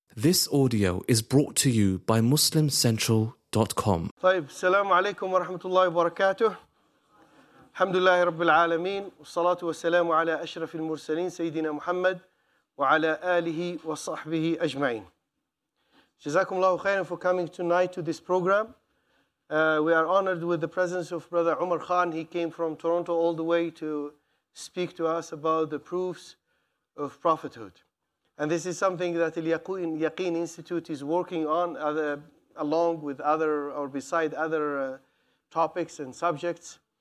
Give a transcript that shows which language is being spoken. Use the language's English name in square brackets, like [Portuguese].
[English] This audio is brought to you by MuslimCentral.com. [Arabic] طيب السلام عليكم ورحمة الله وبركاته. الحمد لله رب العالمين والصلاة والسلام على أشرف المرسلين سيدنا محمد وعلى آله وصحبه أجمعين. جزاكم الله خيرا [English] for coming tonight to this program. We are honored with the presence of Brother Umar Khan. He came from Toronto all the way to speak to us about the proofs of prophethood. And this is something that the Yaqeen Institute is working on along with other or beside other topics and subjects.